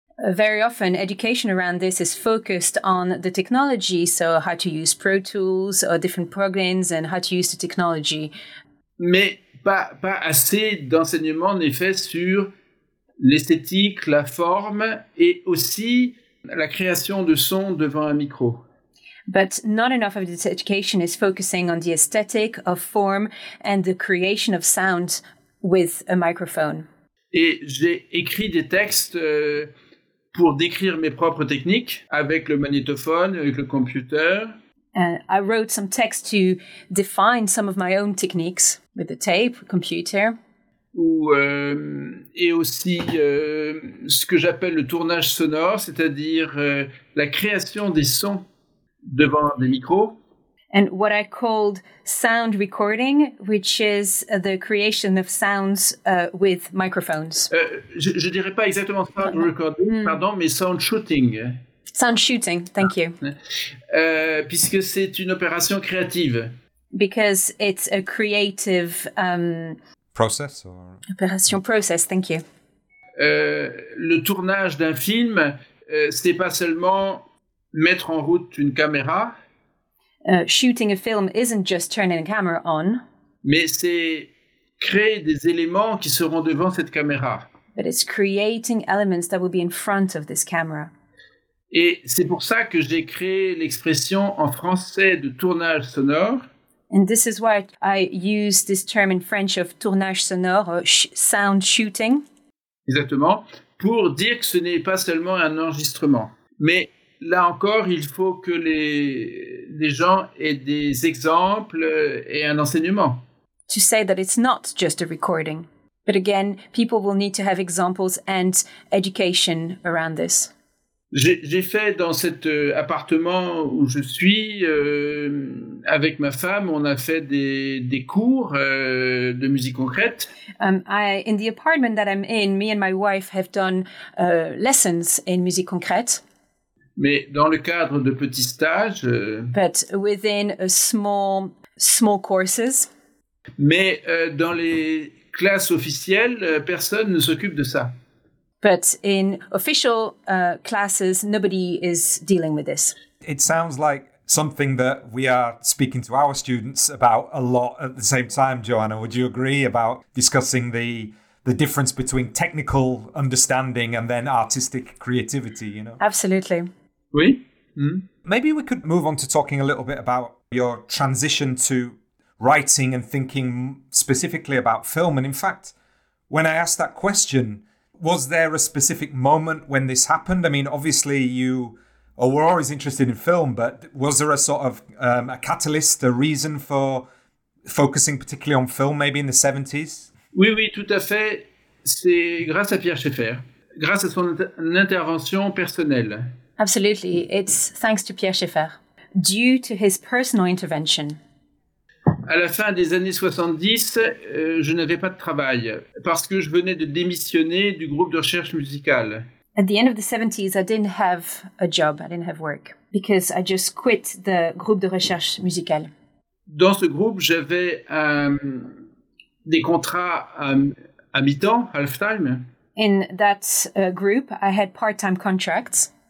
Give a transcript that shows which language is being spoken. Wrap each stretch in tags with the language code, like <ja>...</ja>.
<en>Very often, education around this is focused on the technology, so how to use Pro Tools or different plugins and how to use the technology.</en> <fr>Mais pas assez d'enseignement, en effet, sur l'esthétique, la forme et aussi la création de son devant un micro.</fr> <en>But not enough of this education is focusing on the aesthetic of form and the creation of sound with a microphone.</en> <fr>Et j'ai écrit des textes pour décrire mes propres techniques avec le magnétophone, avec le computer.</fr> <en>I wrote some texts to define some of my own techniques with the tape, computer.</en> <fr>Ce que j'appelle le tournage sonore, c'est-à-dire la création des sons devant des micros.</fr> <en>And what I called sound recording, which is the creation of sounds with microphones.</en> <fr>Je dirais pas exactement</fr> <en>sound recording,</en> <fr>pardon, mais</fr> <en>sound shooting. Sound shooting, thank you.</en> <fr>Puisque c'est une opération créative.</fr> <en>Because it's a creative process. Or... Opération process, thank you.</en> <fr>Le tournage d'un film, c'est pas seulement mettre en route une caméra.</fr> <en>Shooting a film isn't just turning a camera on.</en> <fr>Mais c'est créer des éléments qui seront devant cette caméra.</fr> <en>But it's creating elements that will be in front of this camera.</en> <fr>Et c'est pour ça que j'ai créé l'expression en français de tournage sonore.</fr> <en>And this is why I use this term in French of tournage sonore, or sound shooting.</en> <fr>Exactement, pour dire que ce n'est pas seulement un enregistrement. Mais là encore, il faut que les gens aient des exemples et un enseignement.</fr> <en>To say that it's not just a recording. But again, people will need to have examples and education around this.</en> <fr>J'ai fait dans cet appartement où je suis, avec ma femme, on a fait des cours de musique concrète.</fr> <en>In the apartment that I'm in, me and my wife have done lessons in musique concrète.</en> <fr>Mais dans le cadre de petits stages.</fr> <en>But within a small courses.</en> <fr>Mais dans les classes officielles, personne ne s'occupe de ça.</fr> <en>But in official classes, nobody is dealing with this. It sounds like something that we are speaking to our students about a lot at the same time, Joanna. Would you agree about discussing the difference between technical understanding and then artistic creativity, you know? Absolutely.</en> <fr>Oui. Mm.</fr> <en>Maybe we could move on to talking a little bit about your transition to writing and thinking specifically about film. And in fact, when I asked that question, was there a specific moment when this happened? I mean, obviously, you were always interested in film, but was there a sort of a catalyst, a reason for focusing particularly on film, maybe in the 70s?</en> <fr>Oui, oui, tout à fait. C'est grâce à Pierre Schaeffer, grâce à son intervention personnelle.</fr> <en>Absolutely. It's thanks to Pierre Schaeffer, due to his personal intervention.</en> <fr>À la fin des années 70, je n'avais pas de travail parce que je venais de démissionner du groupe de recherche musicale.</fr> <en>At the end of the 70s, I didn't have a job, I didn't have work, because I just quit the groupe de recherche musicale.</en> <fr>Dans ce groupe, j'avais des contrats à mi-temps, half-time.</fr> <en>In that group, I had part-time contracts.</en>